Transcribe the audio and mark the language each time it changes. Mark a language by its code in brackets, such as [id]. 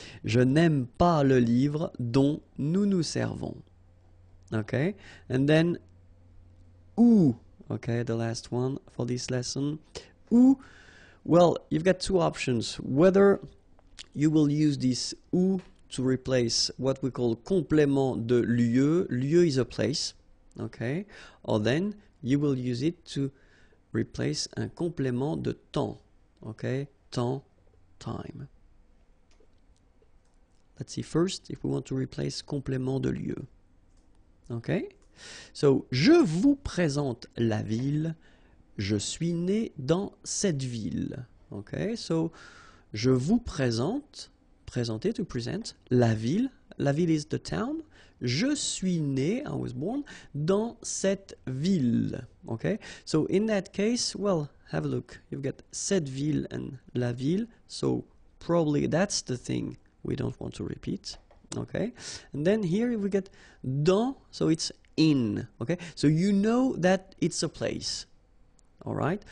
[fr] Je n'aime pas le livre dont nous nous servons. [en] Okay, and then, où, okay, the last one for this lesson. Où, well, you've got two options. Whether you will use this où to replace what we call complément de lieu. Lieu is a place, okay. Or then, you will use it to replace un complément de temps, okay? Temps, time. Let's see first if we want to replace complément de lieu. Okay? [fr] So, je vous présente la ville. Je suis né dans cette ville. Okay? So, je vous présente, présenter, [en] to present, [fr] la ville. La ville [en] is the town. [fr] Je suis né, [en] I was born, [fr] dans cette ville, okay? [en] So in that case, well, have a look. You've got cette ville and la ville, so probably that's the thing we don't want to repeat, okay? And then here we get dans, so it's in, okay? So you know that it's a place, all right?